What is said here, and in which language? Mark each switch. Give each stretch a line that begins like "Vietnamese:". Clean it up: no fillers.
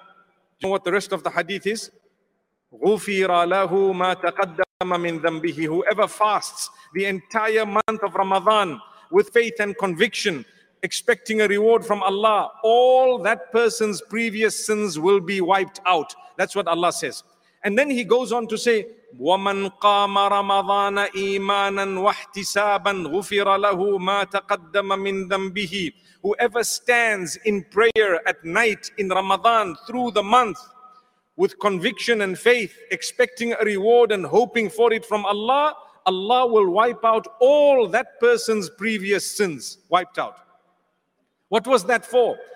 English: Do you know what the rest of the hadith is?
Arabic: Ghufira lahu ma taqaddama min dhanbihi.
English: Whoever fasts the entire month of Ramadan with faith and conviction, expecting a reward from Allah, all that person's previous sins will be wiped out. That's what Allah says. And then He goes on to say,
Arabic: وَمَنْ قَامَ رَمَضَانَ إِيمَانًا وَاحْتِسَابًا غُفِرَ لَهُ مَا تَقَدَّمَ مِنْ ذَنْبِهِ.
English: Whoever stands in prayer at night in Ramadan through the month with conviction and faith, expecting a reward and hoping for it from Allah, Allah will wipe out all that person's previous sins. Wiped out. What was that for?